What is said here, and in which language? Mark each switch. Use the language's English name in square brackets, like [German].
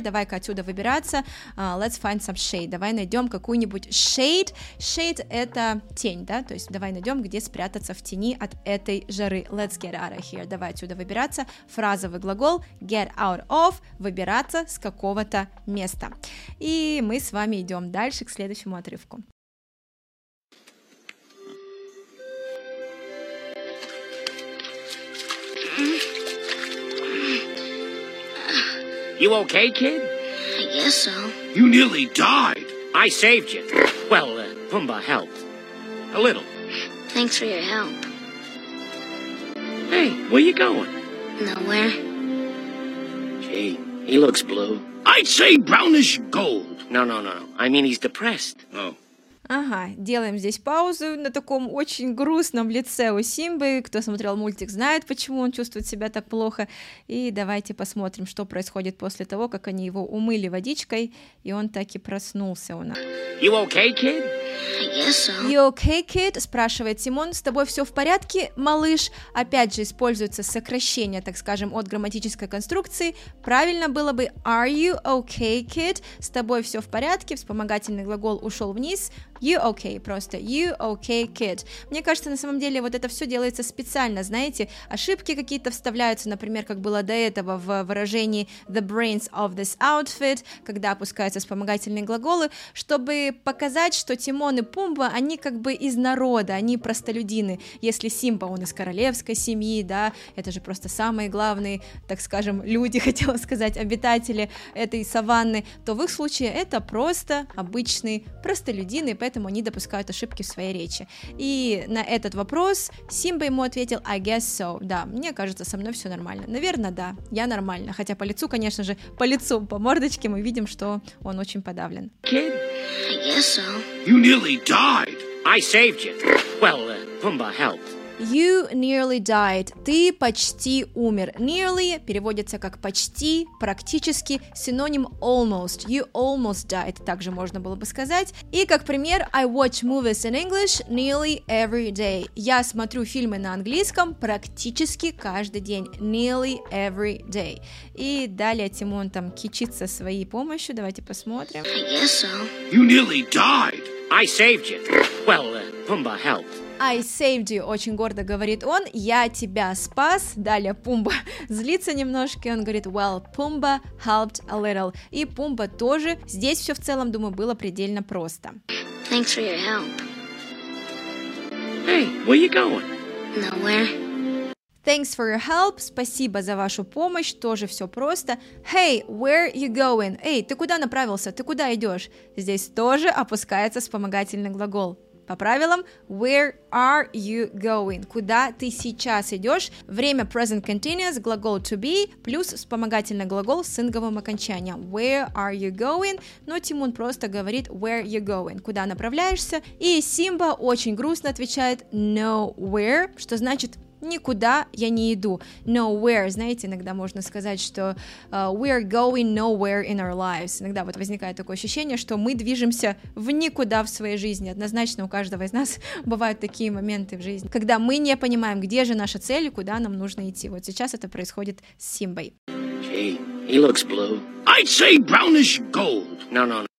[Russian] Давай-ка отсюда выбираться. [English] Let's find some shade. [Russian] Давай найдем какую-нибудь shade. Shade это тень, да? То есть давай найдем, где спрятаться в тени от этой жары. [English] Let's get out of here. [Russian] Давай отсюда выбираться. Фразовый глагол get out of. Выбираться с какого-то место. И мы с вами идем дальше к следующему отрывку. [English] You okay, kid? I guess so. You nearly died. I saved you. Well, Pumbaa helped. A little. Thanks for your help. Hey, where you going? Nowhere. Gee, he looks blue. I'd say brownish gold. No. I mean he's depressed. Oh. [Russian] Ага, делаем здесь паузу на таком очень грустном лице у Симбы. Кто смотрел мультик, знает, почему он чувствует себя так плохо. И давайте посмотрим, что происходит после того, как они его умыли водичкой, и он так и проснулся у нас. [English] You okay, kid? I guess so. You okay, kid? [Russian] Спрашивает Тимон. С тобой все в порядке, малыш? Опять же, используется сокращение, так скажем, от грамматической конструкции. Правильно было бы [English] Are you okay, kid? [Russian] С тобой все в порядке. Вспомогательный глагол ушел вниз. [English] You okay, просто you okay, kid. [Russian] Мне кажется, на самом деле вот это все делается специально, знаете, ошибки какие-то вставляются, например, как было до этого в выражении [English] the brains of this outfit, [Russian] когда опускаются вспомогательные глаголы, чтобы показать, что Тимон и Пумба, они как бы из народа, они простолюдины. Если Симба, он из королевской семьи, да, это же просто самые главные, так скажем, люди, хотела сказать, обитатели этой саванны, то в их случае это просто обычные простолюдины, поэтому они допускают ошибки в своей речи. И на этот вопрос Симба ему ответил [English] I guess so. [Russian] Да, мне кажется, со мной все нормально. Наверное, да, я нормально. Хотя по лицу, конечно же, по лицу, по мордочке мы видим, что он очень подавлен. [English] Kid? I guess so. You nearly died. I saved you. Well, Pumbaa helped. You nearly died. [Russian] Ты почти умер. Nearly переводится как почти, практически, синоним almost. [English] You almost died. [Russian] Также можно было бы сказать. И как пример, [English] I watch movies in English nearly every day. [Russian] Я смотрю фильмы на английском практически каждый день. [English] Nearly every day. [Russian] И далее Тимон там кичится своей помощью. Давайте посмотрим. [English] I guess so. You nearly died. I saved you. Well, Pumbaa helped. I saved you, [Russian] очень гордо говорит он, я тебя спас. Далее Пумба злится немножко, он говорит, [English] well, Pumba helped a little. [Russian] И Пумба тоже. Здесь все в целом, думаю, было предельно просто. [English] Thanks for your help. Hey, where you going? Nowhere. Thanks for your help. [Russian] Спасибо за вашу помощь. Тоже все просто. [English] Hey, where you going? [Russian] Эй, ты куда направился? Ты куда идешь? Здесь тоже опускается вспомогательный глагол. По правилам, [English] where are you going? [Russian] Куда ты сейчас идешь? Время present continuous, глагол to be, плюс вспомогательный глагол с инговым окончанием. [English] Where are you going? [Russian] Но Тимон просто говорит, [English] where you going? [Russian] Куда направляешься? И Симба очень грустно отвечает, nowhere, что значит... Никуда я не иду. [English] Nowhere, [Russian] знаете, иногда можно сказать, что [English] we are going nowhere in our lives. [Russian] Иногда вот возникает такое ощущение, что мы движемся в никуда в своей жизни. Однозначно у каждого из нас бывают такие моменты в жизни, когда мы не понимаем, где же наша цель и куда нам нужно идти. Вот сейчас это происходит с Симбой. [English] Hey, he looks blue. I'd say brownish gold. No.